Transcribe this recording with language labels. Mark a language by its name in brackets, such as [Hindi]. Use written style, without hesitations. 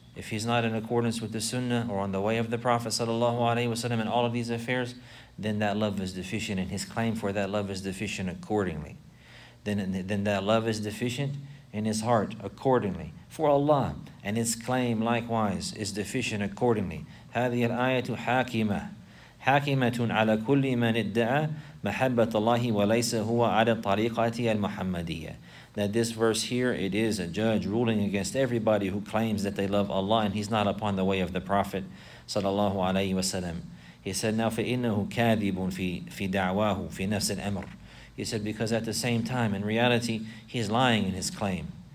[English] If he's not in accordance with the sunnah or on the way of the Prophet sallallahu alayhi wa sallam in all of these affairs, then that love is deficient, and his claim for that love is deficient accordingly. Then that love is deficient in his heart accordingly for Allah, and his claim likewise is deficient accordingly. [Arabic] هذه الآية حاكمة حاكمة على كل من ادعى محبة الله وليس هو على طريقة المحمدية. [English] That this verse here, it is a judge ruling against everybody who claims that they love Allah and he's not upon the way of the Prophet صلى الله عليه وسلم. He said, now [Arabic] فإنه كاذب في دعواه في نفس الأمر. [English] He said, because at the same time, in reality, he's lying in his claim.